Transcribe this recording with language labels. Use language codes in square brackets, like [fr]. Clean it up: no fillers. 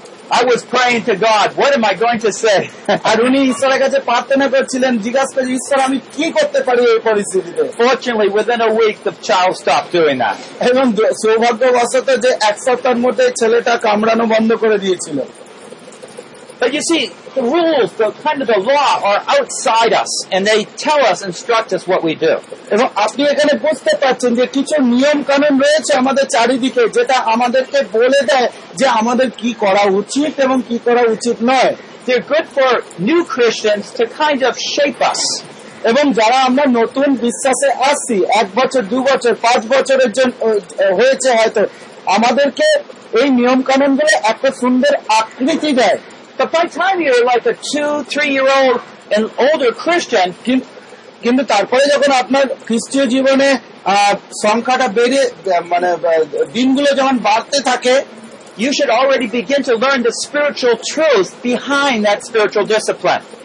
[en] I was praying to God, what am I going to say? [bn] আর উনি ঈশ্বরের কাছে প্রার্থনা করছিলেন, জিজ্ঞাসা করছিলেন, ঈশ্বর আমি কি করতে পারি এই পরিস্থিতিতে? [en] Fortunately, within a week, the child stopped doing that. [bn] এবং সৌভাগ্যবশত যে এক সপ্তাহের মধ্যে ছেলেটা কামড়ানো বন্ধ করে দিয়েছিল। [en] But you see, the rules, the kind of the law, are outside us, and they tell us, instruct us what we do. [bn] এবং আপনি এখানে বুঝতে পারছেন যে কিছু নিয়ম কানুন রয়েছে আমাদের চারিদিকে যেটা আমাদেরকে বলে দেয় যে আমাদের কি করা উচিত এবং কি করা উচিত নয়। [en] They're good for new Christians to kind of shape us. [bn] এবং যারা আমরা নতুন বিশ্বাসে আসছি, এক বছর, দু বছর, পাঁচ বছরের জন্য হয়েছে হয়তো, আমাদেরকে এই নিয়ম কানুন গুলো একটা সুন্দর আকৃতি দেয়। [en] But by the time you're like a 2-3-year-old and older Christian, [bn] কিন্তু তারপরে যখন আপনার খ্রিস্টীয় জীবনে সংখ্যাটা বেড়ে মানে দিনগুলো যখন বাড়তে থাকে, [en] you should already begin to learn the spiritual truth behind that spiritual discipline.